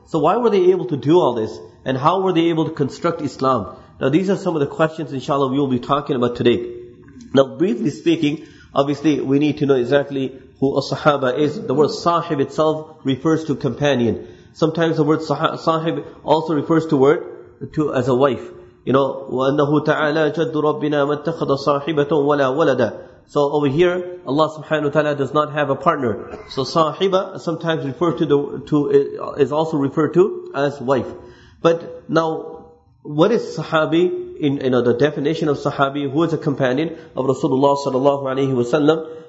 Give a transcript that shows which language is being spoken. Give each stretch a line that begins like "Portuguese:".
English: So why were they able to do all this? And how were they able to construct Islam? Now these are some of the questions, inshallah, we will be talking about today. Now briefly speaking, obviously we need to know exactly who a sahaba is. The word sahib itself refers to companion. Sometimes the word sahib also refers to word to as a wife. You know,
Arabic: وَأَنَّهُ تَعَالَى جَدُّ رَبِّنَا مَتَّخَذَ صَاحِبَةً وَلَا وَلَدَى.
English: So over here, Allah subhanahu wa ta'ala does not have a partner. So sahiba sometimes refers is also referred to as wife. But now, what is sahabi? In the definition of sahabi, who is a companion of Rasulullah sallallahu alayhi wa sallam?